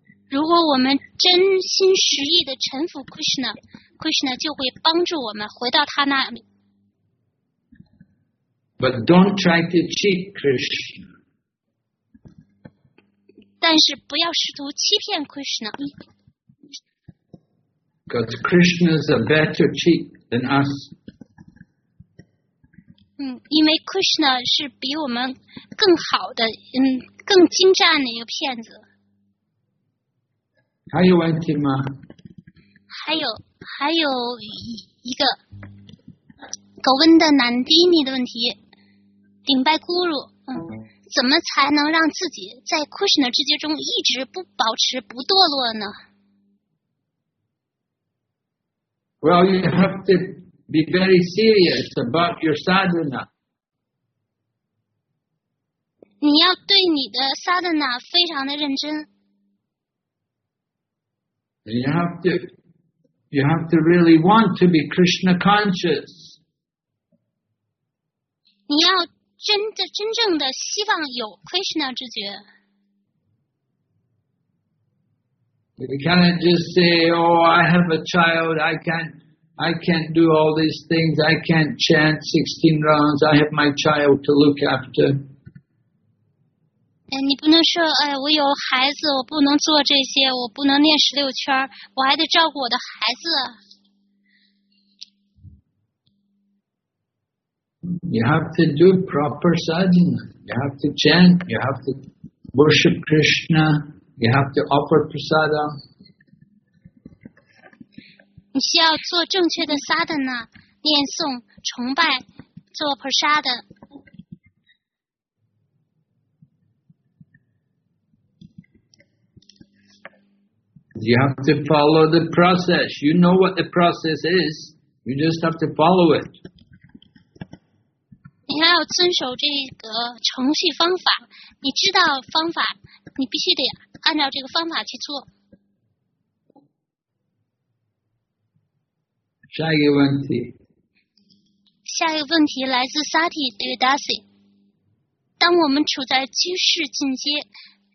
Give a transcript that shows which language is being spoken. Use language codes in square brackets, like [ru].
[zh] 如果我们真心实意地臣服 Krishna, Krishna 就会帮助我们回到他那里。 [en] But don't try to cheat Krishna. [zh] 但是不要试图欺骗 Krishna. [en] Because Krishna is a better cheat than us. [zh] 因为 Krishna 是比我们更好的、更精湛的一个骗子。还有问题吗？还有一个狗问的南迪尼的问题，顶拜咕噜，怎么才能让自己在 Krishna 之间中一直不保持不堕落呢 [en] ？Well, you have to. Be very serious about your sadhana. [zh] 你要对你的 sadhana 非常的认真。 [en] You have to really want to be Krishna conscious. [zh] 你要真正的希望有 Krishna 知觉。 [en] You cannot just say, "Oh, I have a child. I can't do all these things. I can't chant 16 rounds. I have my child to look after." [zh] 你不能说，哎，我有孩子，我不能做这些，我不能念16圈，我还得照顾我的孩子。 [en] You have to do proper sadhana. You have to chant. You have to worship Krishna. You have to offer prasada. [zh] 你需要做正确的 sadhana, 念诵、崇拜、做 prasada。 [en] You have to follow the process. You know what the process is. You just have to follow it. [zh] 你还要遵守这个程序方法。你知道方法，你必须得按照这个方法去做。下一个问题。下一个问题来自 Sati Devadasi。当我们处在居士境界，